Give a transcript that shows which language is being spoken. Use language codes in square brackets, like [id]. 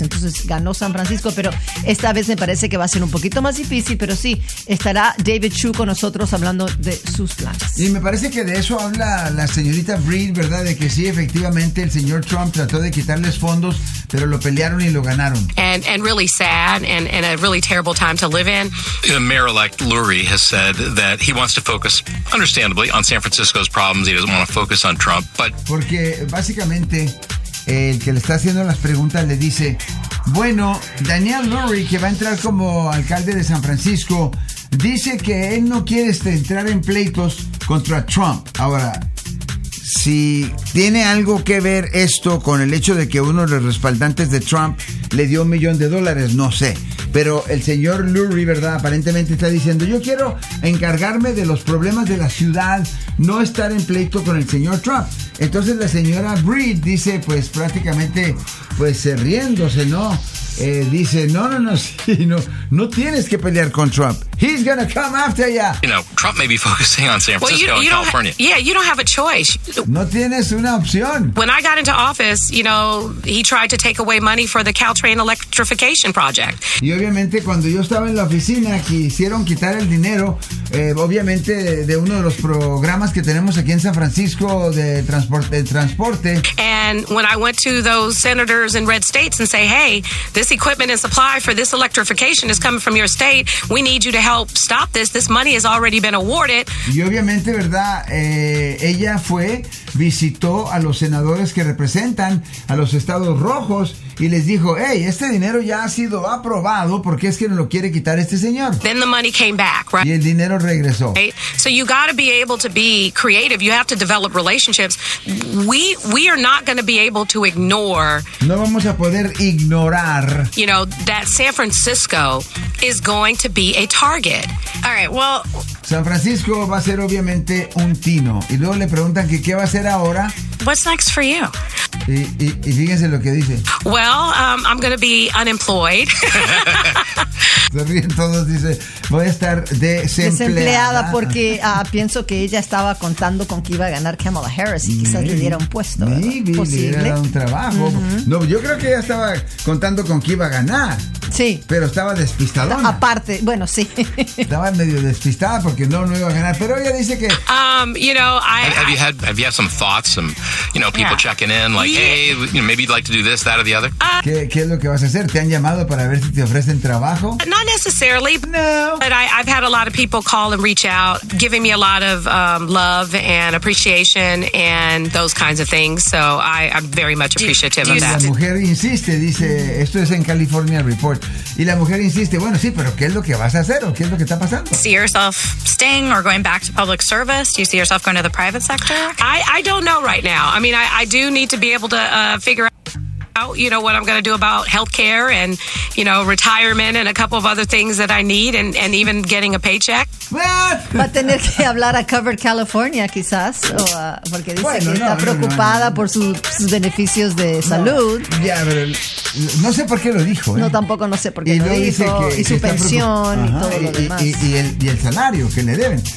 [es] Entonces ganó San Francisco, pero esta vez me parece que va a ser un poquito más difícil, pero sí, estará David Chu con nosotros hablando de sus planes. Y me parece que de eso habla la señorita Breed, ¿verdad? De que sí, efectivamente, el señor Trump trató de quitarles fondos, pero lo pelearon y lo ganaron. [en] And really sad and a really terrible time to live in. Mayor-elect Lurie has said that he wants to focus, understandably, on San Francisco's problems. He doesn't want to focus on Trump, but [es] porque básicamente el que le está haciendo las preguntas le dice, bueno, Daniel Lurie, que va a entrar como alcalde de San Francisco, dice que él no quiere entrar en pleitos contra Trump. Ahora, si tiene algo que ver esto con el hecho de que uno de los respaldantes de Trump le dio $1,000,000, no sé. Pero el señor Lurie, ¿verdad?, aparentemente está diciendo, yo quiero encargarme de los problemas de la ciudad, no estar en pleito con el señor Trump. Entonces la señora Breed dice, pues prácticamente, pues riéndose, ¿no? Dice, no tienes que pelear con Trump. [en] He's gonna come after ya. You know, Trump may be focusing on San Francisco and California. You don't have a choice. [es] No tienes una opción. [en] When I got into office, you know, he tried to take away money for the Caltrain electrification project. [es] Y obviamente cuando yo estaba en la oficina quisieron quitar el dinero, obviamente de uno de los programas que tenemos aquí en San Francisco de transporte. [en] And when I went to those senators in red states and say, hey, this equipment and supply for this electrification is coming from your state. We need you to help stop this. This money has already been awarded. [es] Y obviamente, ¿verdad? Ella fue visitó a los senadores que representan a los estados rojos y les dijo, hey, este dinero ya ha sido aprobado, porque es que no lo quiere quitar este señor. [en] Then the money came back, right? [es] Y el dinero regresó. [en] So you got to be able to be creative. You have to develop relationships. We are not going to be able to ignore. [es] No vamos a poder ignorar. [en] You know that San Francisco is going to be a target. All right. Well. [es] San Francisco va a ser obviamente un tino. Y luego le preguntan que qué va a hacer ahora. [en] What's next for you? [es] Y fíjense lo que dice. [en] Well, I'm going to be unemployed. [es] Entonces dice, voy a estar desempleada porque pienso que ella estaba contando con que iba a ganar Kamala Harris y quizás le diera un puesto. Le diera un trabajo. Uh-huh. No, yo creo que ella estaba contando con que iba a ganar. Sí. Pero estaba despistadona. Aparte, bueno, sí. Estaba medio despistada porque no iba a ganar. Pero ella dice que. [en] You know, Have you had some thoughts, some, you know, people checking in, like, hey, you know, maybe you'd like to do this, that, or the other? [es] ¿Qué es lo que vas a hacer? ¿Te han llamado para ver si te ofrecen trabajo? [en] Not necessarily. [es] No. [en] But I've had a lot of people call and reach out, giving me a lot of love and appreciation and those kinds of things. So I'm very much appreciative of that. [es] La mujer insiste, dice, esto es en California Report. Y la mujer insiste, bueno, sí, pero ¿qué es lo que vas a hacer o qué es lo que está pasando? [en] See yourself staying or going back to public service? Do you see yourself going to the private sector? I don't know right now. I mean, I do need to be able to figure out, you know, what I'm going to do about healthcare and, you know, retirement and a couple of other things that I need and even getting a paycheck. [es] Va a tener que hablar a Covered California, quizás, o porque dice que está preocupada por sus beneficios de salud. No, ya, pero no sé por qué lo dijo. No, tampoco no sé por qué lo dijo. Y su pensión y todo lo demás. Y el salario que le deben.